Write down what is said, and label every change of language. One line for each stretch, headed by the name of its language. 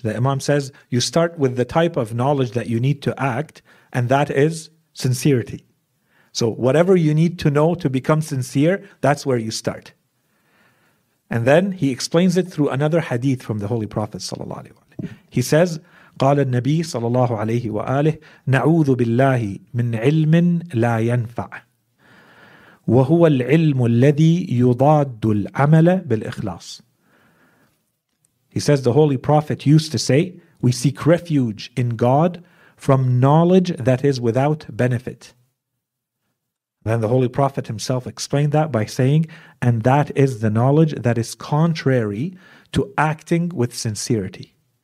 English: The Imam says, you start with the type of knowledge that you need to act, and that is sincerity. So whatever you need to know to become sincere, that's where you start. And then he explains it through another hadith from the Holy Prophet sallallahu alaihi wasallam. He says,
Arabic: قال النبي صلى الله عليه وآله نعوذ بالله من علم لا ينفع وهو العلم الذي يضاد العمل بالإخلاص.
English: He says the Holy Prophet used to say, we seek refuge in God from knowledge that is without benefit. Then the Holy Prophet himself explained that by saying, and that is the knowledge that is contrary to acting with sincerity.